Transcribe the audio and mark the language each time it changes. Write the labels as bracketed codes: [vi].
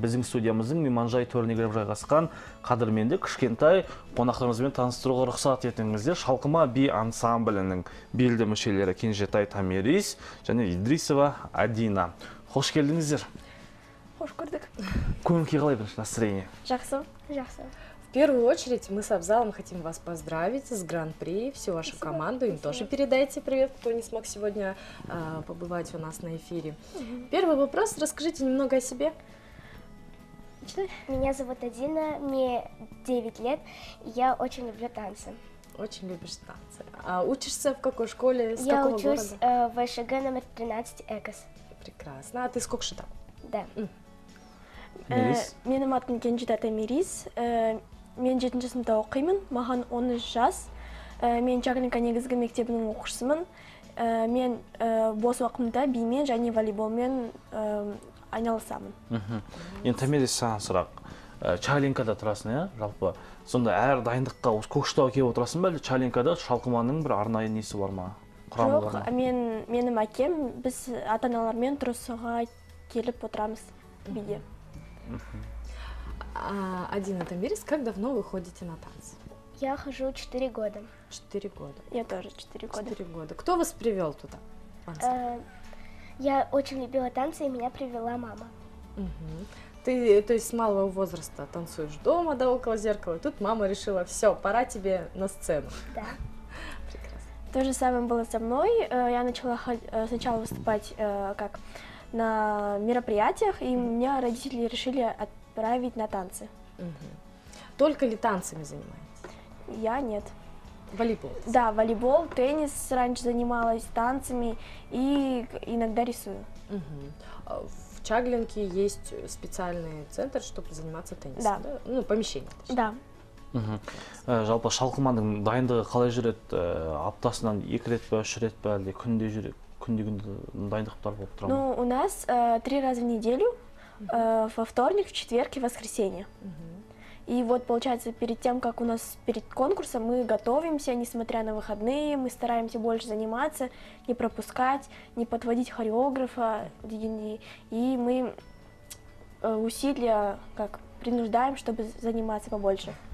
[kk] Біздің студиямыздың мейманжай төріне кіріп жайғасқан қадірменді кішкентай қонақтарымызбен таныстыруға рұқсат етіңіздер. Шалқыма би ансамблінің белді мүшелері Кенжетай Тамерис және Идрисова Адина. Хош келдіңіздер. Хош көрдік. Көңілке қалай бірінші [ru] настроение? [kk] Жақсы. Жақсы. [ru] В первую очередь мы с Абзалом хотим вас поздравить с Гран-при, всю вашу спасибо, команду, спасибо. Им тоже передайте привет, кто не смог сегодня побывать у нас на эфире. Угу. Первый вопрос, расскажите немного о себе. Меня зовут Адина, мне 9 лет, я очень люблю танцы. Очень любишь танцы. А учишься в какой школе, с я какого учусь, города? Я учусь в ВШГ номер 13 ЭКОС. Прекрасно, а ты с Кокшетау? Да. Меня зовут Кенжетай Тамерис. [kk] Мен жетінші сыныпта оқимын, маған 13 жас. Мен Чагринка негізгі мектебінің оқушысымын. Мен бос уақытымда бимен және волейболмен айналысамын. Енді Тамерис саған сұрақ. Чагринкада тұрасың, иә? Жалпы, сонда әр дайындыққа Көкшетауға келіп отырасың ба? Чагринкада шалқыманың бір арнайы несі бар ма? Жоқ, менің әкем, біз ата-аналармен тұрысуға келіп отырамыз биге. [ru] Адина Тамерис, как давно вы ходите на танцы? Я хожу 4 года. 4 года. Я тоже 4 года. 4 года. Кто вас привел туда? Я очень любила танцы, и меня привела мама. Угу. Ты, то есть, с малого возраста танцуешь дома, да, около зеркала, и тут мама решила, все, пора тебе на сцену. Да. Прекрасно. То же самое было со мной. Я начала сначала выступать как на мероприятиях, и меня родители решили отправить на танцы. Угу. Только ли танцами занимаетесь? Я нет. Волейбол? Да, волейбол, теннис раньше занималась, танцами и иногда рисую. Угу. В Чаглинке есть специальный центр, чтобы заниматься теннисом? Да. Да? Ну, помещение, точнее. Да. Угу. [kk] Жалпы шалқыманың дайындығы қалай жүрет? Аптасынан екі рет пе, үш рет пе, әлде күнде жүрет? [ru] Ну, у нас три раза в неделю, во вторник, в четверг и воскресенье. И вот, получается, перед тем, как у нас перед конкурсом, мы готовимся, несмотря на выходные, мы стараемся больше заниматься, не пропускать, не подводить хореографа, и мы усилия как принуждаем, чтобы заниматься побольше.